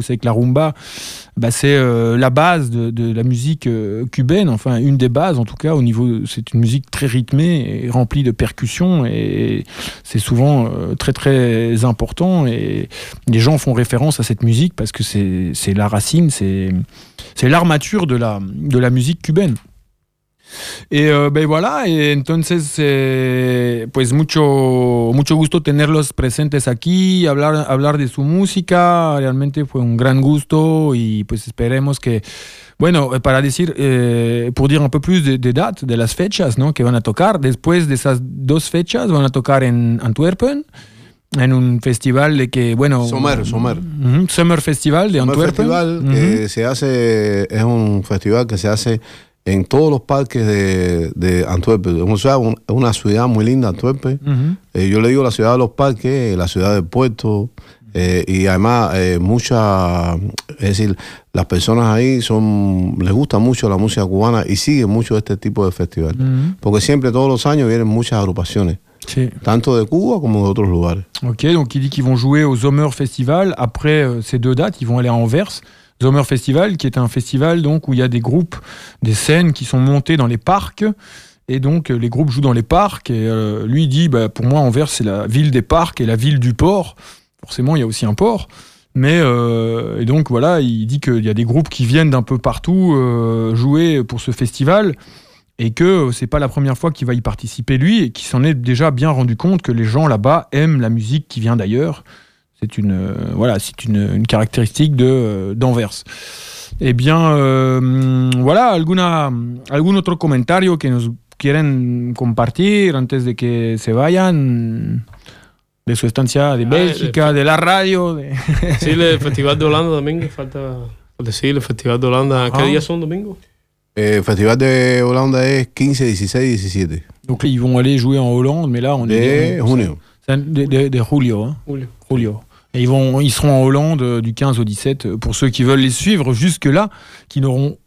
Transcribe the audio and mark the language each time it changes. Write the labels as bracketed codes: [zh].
[fr] Vous savez que la Rumba, bah, c'est la base de la musique cubaine, enfin une des bases en tout cas, au niveau, c'est une musique très rythmée et remplie de percussions et c'est souvent très très important et les gens font référence à cette musique parce que c'est la racine, c'est l'armature de la musique cubaine. Et ben voilà, et [es] entonces pues mucho gusto tenerlos presentes aquí, hablar de su música, realmente fue un gran gusto y pues esperemos que bueno, para decir [fr] pour dire un peu plus de dates, [es] de las fechas, ¿no? que van a tocar después de esas dos fechas, van a tocar en Antwerpen. En un festival de que, bueno... Summer. Uh-huh. Summer Festival de Antwerpen. Summer Festival que uh-huh. se hace, es un festival que se hace en todos los parques de Antwerpen. O sea, es una ciudad muy linda, Antwerpen. Uh-huh. Yo le digo la ciudad de los parques, la ciudad del puerto. Y además, es decir, las personas ahí son les gusta mucho la música cubana y siguen mucho este tipo de festival. Uh-huh. Porque siempre, todos los años, vienen muchas agrupaciones. Sí. Tanto de Cuba [fr] comme d'autres [es] lugares. [fr] Ok, donc il dit qu'ils vont jouer au Summer Festival. Après ces deux dates, ils vont aller à Anvers. Summer Festival, qui est un festival donc, où il y a des groupes, des scènes qui sont montées dans les parcs. Et donc les groupes jouent dans les parcs. Et lui, il dit bah, pour moi, Anvers, c'est la ville des parcs et la ville du port. Forcément, il y a aussi un port. Mais, et donc voilà, il dit qu'il y a des groupes qui viennent d'un peu partout jouer pour ce festival. Et que c'est pas la première fois qu'il va y participer lui et qu'il s'en est déjà bien rendu compte que les gens là-bas aiment la musique qui vient d'ailleurs. C'est une voilà, c'est une caractéristique de d'Anvers. [es] Eh bien voilà, algún otro comentario que nos quieren compartir antes de que se vayan de su estancia de Bélgica, de la radio. Sí, el Festival de Holanda también falta decir. El Festival de Holanda, ¿qué días son, domingo? Festival de Holanda [fr] est [es] 15, 16, 17. [fr] Donc ils vont aller jouer en Hollande, mais là on de est... [es] Junio. De Julio. Hein. Julio. [fr] Et ils seront en Hollande du 15 au 17, pour ceux qui veulent les suivre jusque-là, qui n'auront...